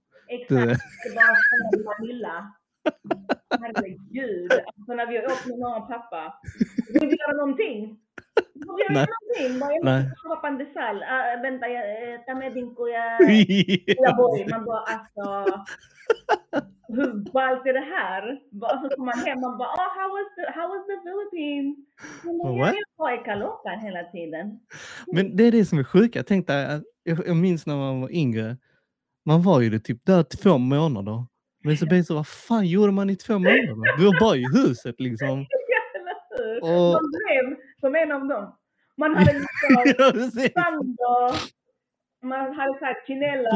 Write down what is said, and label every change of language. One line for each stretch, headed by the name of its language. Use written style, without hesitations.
Swedish: Exakt, det är bara en familj. Herregud. Alltså, när vi har åkt med mamma och pappa. Vi vill göra någonting. Nej. Jag har inte vänta, jag tar med din kuja. Man bara, alltså, hur ballt är det här? Och så kommer man hem, man bara,
English: oh, how was the Philippines?
Swedish: Men jag har ju kalokan hela tiden. Men det är det som är sjukt. Jag tänkte, jag minns när man var yngre. Man var ju typ där 2 månader. Men så blev det så, vad fan gjorde man i 2 månader? Du var bara i huset liksom. Och man blev som en av dem. Man hade liksom sand och man hade så här chinella.